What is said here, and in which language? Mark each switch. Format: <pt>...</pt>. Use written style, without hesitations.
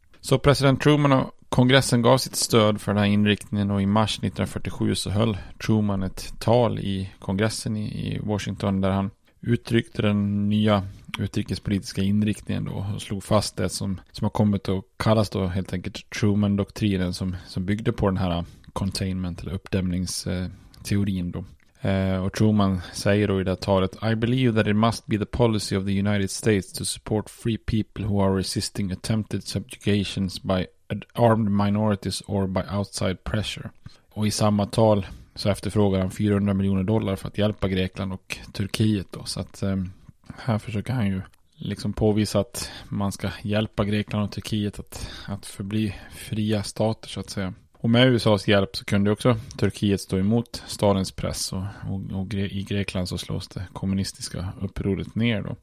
<sv>Så president Truman och kongressen gav sitt stöd för den här inriktningen, och i mars 1947 så höll Truman ett tal i kongressen i Washington där han uttryckte den nya utrikespolitiska inriktningen då och slog fast det som har kommit att kallas då helt enkelt Truman-doktrinen, som byggde på den här containment eller uppdämningsteorin då. Och Truman säger då i det här talet:</sv> <en>"I believe that it must be the policy of the United States to support free people who are resisting attempted subjugations by armed minorities or by outside pressure."</en> <sv>Och i samma tal så efterfrågar han $400 miljoner för att hjälpa Grekland och Turkiet då. Så att här försöker han ju liksom påvisa att man ska hjälpa Grekland och Turkiet att förbli fria stater så att säga. Och med USAs hjälp så kunde också Turkiet stå emot Stalins press, och i Grekland så slås det kommunistiska upproret ner då.</sv>